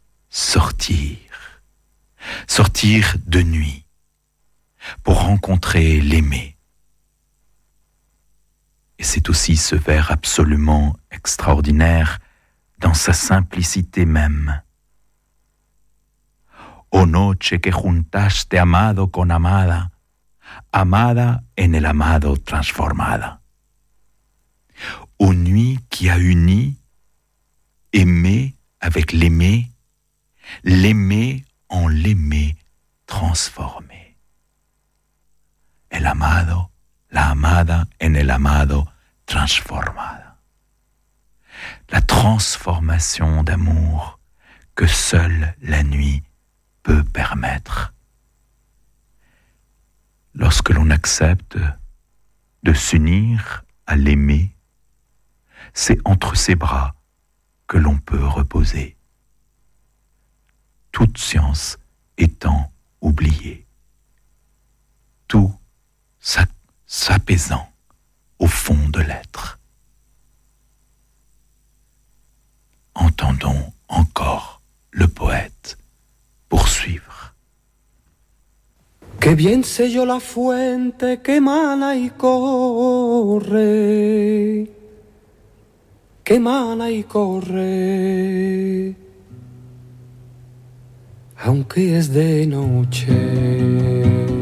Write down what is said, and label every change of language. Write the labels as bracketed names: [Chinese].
[French] Sortir de nuit pour rencontrer l'aimé. Et c'est aussi ce vers absolument extraordinaire dans sa simplicité même. [Spanish] O noche que juntaste amado con amada, amada en el amado transformada. [French] Ô nuit qui a uni aimé avec l'aimé, l'aimé en l'aimé transformé. [Spanish] El amado, la amada en el amado transformada. [French] La transformation d'amour que seule la nuit peut permettre. Lorsque l'on accepte de s'unir à l'aimer, c'est entre ses bras que l'on peut reposer. Toute science étant oubliée. Tout s'apaisant au fond de l'être. Entendons encore le poète poursuivre. [Spanish] Que bien sé yo la fuente que mana y corre, que mana y corre, aunque es de noche.